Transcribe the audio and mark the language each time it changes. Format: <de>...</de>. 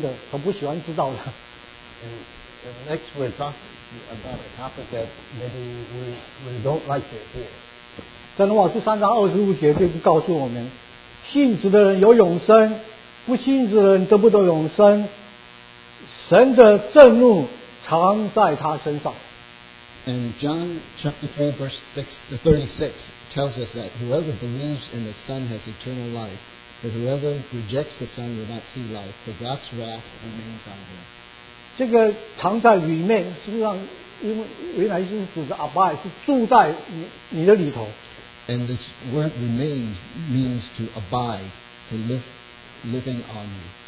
<zh>我们下面就讲到一个题目，是我们所不喜欢听的，所不喜欢知道的。</zh> <en>And next we're talking about a topic that maybe we don't like to hear.</en> <zh>在罗马书3:25节就告诉我们。信子的人有永生，不信子的人得不得永生。神的震怒常在他身上。</zh> <en>And John chapter 3 verse 6 to 36 tells us that whoever believes in the Son has eternal life, but whoever rejects the Son will not see life, for God's wrath remains on him.</en> <zh>这个藏在里面，实际上原来是指的abide，是住在你的里头。</zh> <en>And this word remain means to abide, to living on you.</en>